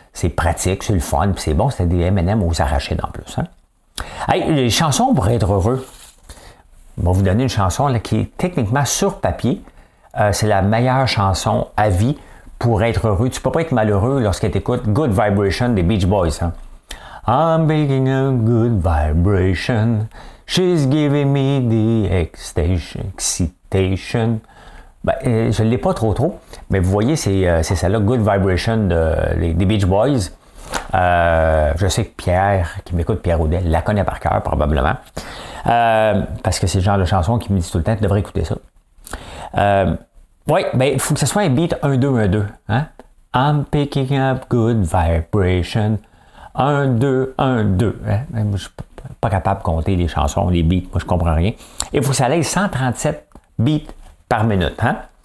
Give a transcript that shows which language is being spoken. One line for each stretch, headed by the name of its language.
French: C'est pratique, c'est le fun, puis c'est bon, c'était des M&M aux arachides en plus. Hein. Hey, les chansons pour être heureux. Je vais vous donner une chanson là, qui est techniquement sur papier. C'est la meilleure chanson à vie pour être heureux. Tu ne peux pas être malheureux lorsque tu écoutes Good Vibration des Beach Boys. Hein.
English: I'm making a good vibration. She's giving me the excitation.
French: Je ne l'ai pas trop, mais vous voyez, c'est celle-là, Good Vibration des Beach Boys. Je sais que Pierre, qui m'écoute, Pierre Audet, la connaît par cœur, probablement. Parce que c'est le genre de chanson qui me dit tout le temps, tu devrais écouter ça. Il faut que ce soit un beat 1-2-1-2. Hein?
English: I'm picking up good vibration.
French: 1-2-1-2. Hein? Je suis pas capable de compter les chansons, les beats, moi je comprends rien. Il faut que ça aille 137 beats par minute, hein?